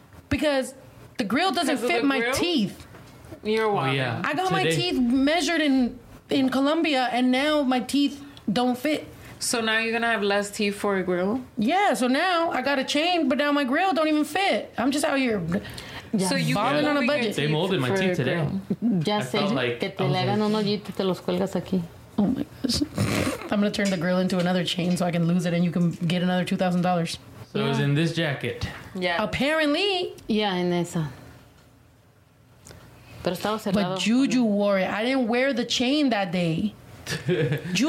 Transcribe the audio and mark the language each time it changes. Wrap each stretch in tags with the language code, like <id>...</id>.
<en>Because the grill doesn't fit My teeth. You're wild. Oh, yeah. I got my teeth measured in Colombia, and now my teeth don't fit. So now you're going to have less teeth for a grill? Yeah, so now I got a chain, but now my grill don't even fit. I'm just out here... Yeah. So you they molded my teeth today.</en> <es>Ya sé que te le hagan un hoyito y te los cuelgas aquí.</es> <en>Oh my gosh. I'm going to turn the grill into another chain so I can lose it and you can get another $2,000. So yeah. It was in this jacket. Yeah. Apparently.</en> <es>Yeah, en esa. Pero estaba cerrado.</es> <en>But Juju wore it. I didn't wear the chain that day. Juju</en>